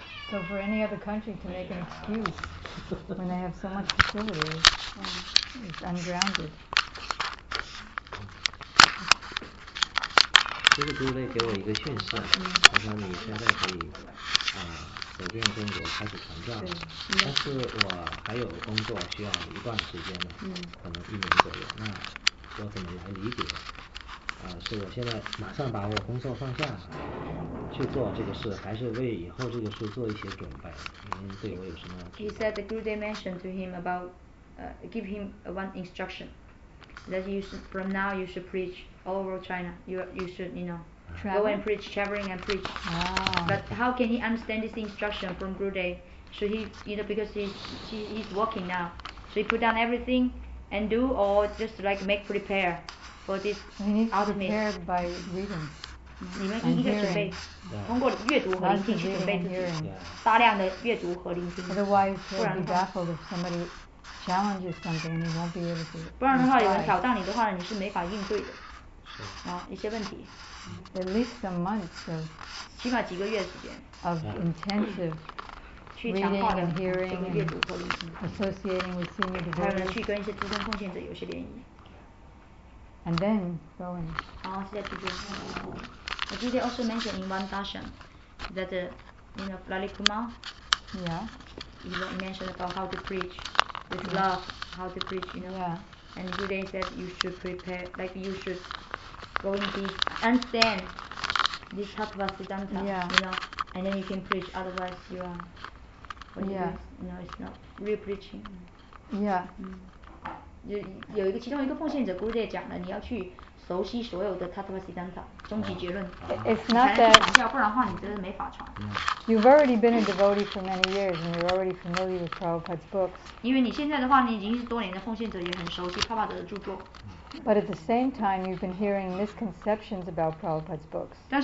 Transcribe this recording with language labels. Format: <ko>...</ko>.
<en>So for any other country to make an excuse when they have so much facility, it's ungrounded.</en> <zh>这个朱雷给我一个劝示，他说你现在可以走遍中国开始传教，但是我还有工作需要一段时间的，可能一年左右，那我怎么来理解？是我现在马上把我工作放下去做这个事，还是为以后这个事做一些准备？您对我有什么</zh> <en>？He said the Guru mentioned to him about, give him one instruction. That you should, from now you should preach all over China. You should, you know, travel? Go and preach, traveling and preach. Wow. But how can he understand this instruction from Gurudev? Should he, you know, because he's working now. Should he put down everything and do or just like make prepare? for this we need to ultimate. Prepare by reading.</en> <zh>你们一定是准备通过阅读和聆听去准备自己，大量的阅读和聆听。</zh> <en>Otherwise, you'll be baffled if somebody challenges something and you won't be able to.</en> <zh>不然的话，有人挑战你的话，你是没法应对的。啊，一些问题。</zh> <en>At least some months of.</en> <zh>起码几个月时间。</zh> <en>Of intensive.</en> <zh>去强化的阅读和聆听。Associating</zh> <en>with senior devotees.</en> <zh>还有去跟一些资深奉献者有些联谊。</zh> <en>And then go in.</en> <zh>好，谢谢提问。</zh> <en>Did you also mention in one session that you know Lali Kumar? Yeah. You mentioned about how to preach with love, how to preach, you know. Yeah. And today said you should prepare, like you should go in deep, understand this Tattva Siddhanta, you know, and then you can preach. Otherwise, you are, you know, it's not real preaching. Yeah.</en> <zh>Mm. 有一个其中一个奉献者 Gurudev 讲了，你要去熟悉所有的 Tattva Siddhanta 终极结论。</zh> <en>It's not that</en> <zh>你才能讲教，不然的话你真的没法传。</zh> <en>You've already been a devotee for many years, and you're already familiar with Prabhupada's books.</en> <zh>因为你现在的话，你已经是多年的奉献者，也很熟悉帕帕德的著作。</zh> <en>But at the same time, you've been hearing misconceptions about Prabhupada's books.</en>